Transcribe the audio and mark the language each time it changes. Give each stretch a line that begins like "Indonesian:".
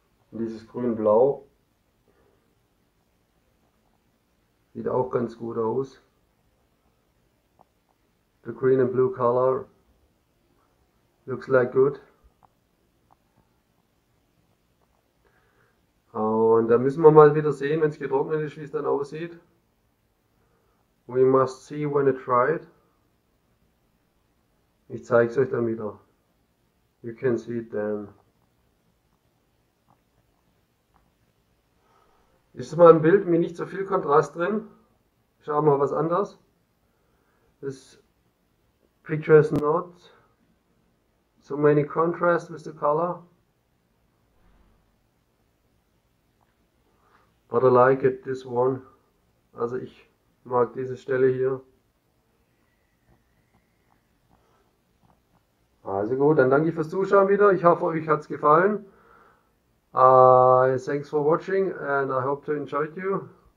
German: Und dieses Grün-Blau sieht auch ganz gut aus.
English: The green and blue color looks like good.
German: Und da müssen wir mal wieder sehen, wenn es getrocknet ist, wie es dann aussieht.
English: We must see when it dried.
German: Ich zeige es euch dann wieder.
English: You can see it then.
German: Ist mal ein Bild mit nicht so viel Kontrast drin. Schauen wir mal was anderes.
English: This picture is not so many contrast with the color. But I like it, this one.
German: Also ich mag diese Stelle hier. Also gut, dann danke ich fürs Zuschauen wieder. Ich hoffe, euch hat es gefallen.
English: Thanks for watching and I hope to enjoy you.